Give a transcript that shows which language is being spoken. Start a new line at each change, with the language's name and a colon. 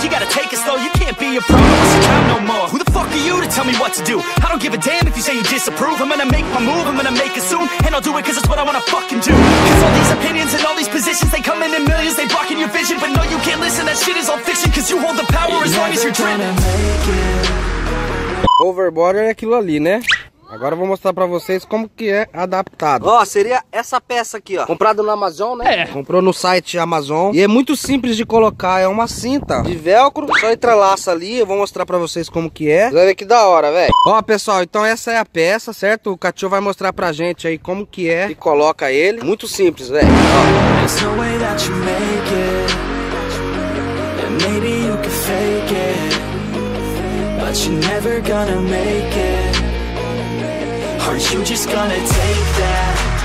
English: You gotta take it slow. You can't be a pro. What's the time no more? Who the fuck are you to tell me what to do? I don't give a damn if you say you disapprove. I'm gonna make my move. I'm gonna make it soon, and I'll do it 'cause it's what I wanna fucking do. 'Cause all these opinions and all these positions, they come in millions. They blocking your vision, but no, you can't listen. That shit is all fiction. 'Cause you hold the power as long as you're dreaming.
Portuguese: Hoverboard é aquilo ali, né? Agora eu vou mostrar pra vocês como que é adaptado. Ó, seria essa peça aqui, ó. Comprado no Amazon, né? É. Comprou no site Amazon. E é muito simples de colocar. É uma cinta de velcro. Só entrelaça ali. Eu vou mostrar pra vocês como que é. Vai ver que da hora, velho. Ó, pessoal, então essa é a peça, certo? O Cachô vai mostrar pra gente aí como que é. E coloca ele. Muito simples, velho.
English: There's no way that you make it. And maybe you can fake it. But you're never gonna make it. Are you just gonna take that?